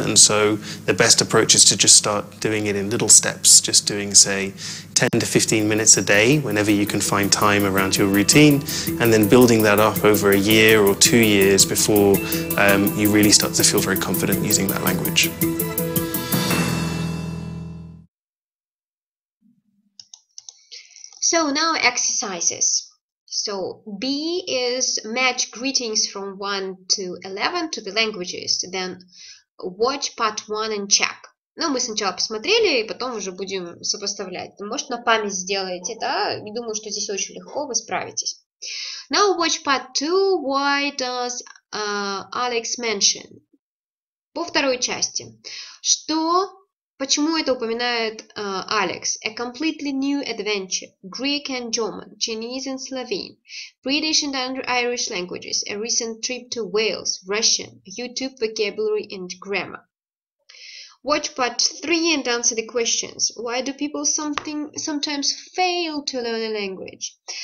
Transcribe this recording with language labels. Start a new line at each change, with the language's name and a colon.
English: And so the best approach is to just start doing it in little steps, just doing, say, 10 to 15 minutes a day, whenever you can find time around your routine, and then building that up over a year or 2 years before you really start to feel very confident using that language. So now exercises. So B is match greetings from 1 to 11 to the languages. Then watch part 1 and check.
Russian: Ну, мы сначала посмотрели, и потом уже будем сопоставлять. Может, на память сделаете, да? Я думаю, что здесь очень легко, вы справитесь.
English: Now watch part 2. Why does Alex mention?
Russian: По второй части. Что... Почему это упоминает Алекс?
English: A completely new adventure. Greek and German, Chinese and Slovene, British and Irish languages, a recent trip to Wales, Russian, YouTube vocabulary and grammar. Watch part 3 and answer the questions. Why do people sometimes fail to learn a language?